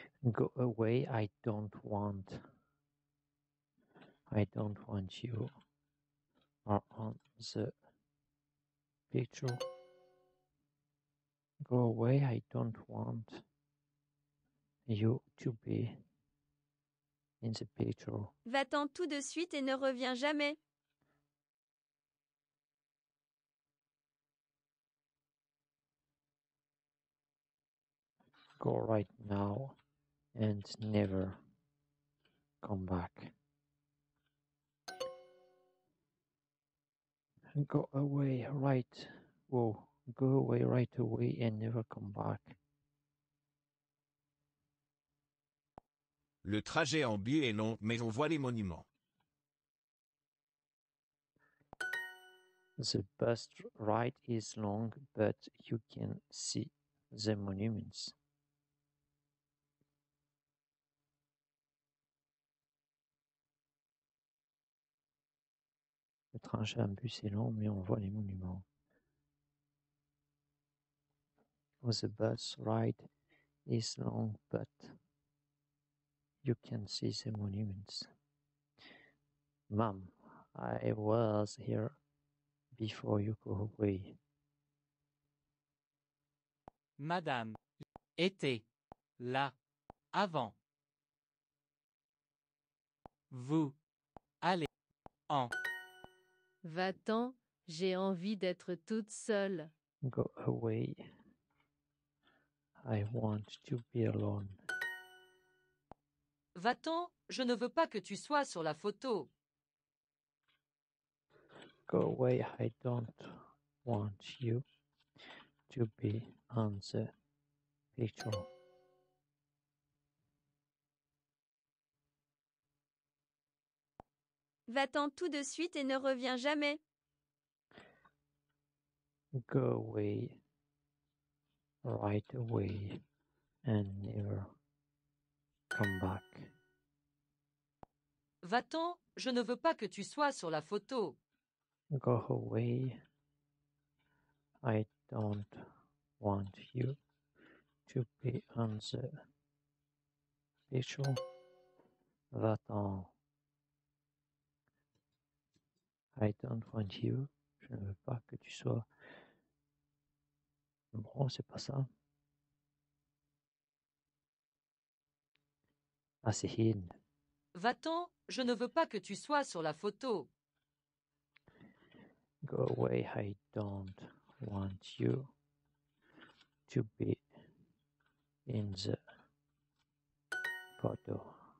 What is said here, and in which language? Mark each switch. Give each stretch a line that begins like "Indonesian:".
English: Go away, I don't want you on the picture. Go away, I don't want you to be in the picture.
French: Va-t'en tout de suite et ne reviens jamais.
English: Go right now and never come back. Go away right. Whoa. Go away right away and never come back.
French: Le trajet en bus est long, mais on voit les monuments.
English: The bus ride is long, but you can see the monuments.
French: Le trajet en bus est long, mais on voit les monuments.
English: The bus ride is long, but you can see the monuments. Mom, I was here before you go away.
French: Madame, j'étais là avant. Vous allez en. Va-t'en, j'ai envie d'être toute seule.
English: Go away. I want to be alone.
French: Va-t'en, je ne veux pas que tu sois sur la photo.
English: Go away, I don't want you to be on the picture.
French: Va-t'en tout de suite et ne reviens jamais.
English: Go away, right away, and never come back.
French: Va-t'en, je ne veux pas que tu sois sur la photo.
English: Go away, I don't want you to be on the picture.
French: Va-t'en.
English: I don't want you.
French: Je ne veux pas que tu sois. Bon, c'est pas ça. Ah, c'est Hin. Va-t'en. Je ne veux pas que tu sois sur la photo.
English: Go away. I don't want you to be in the photo.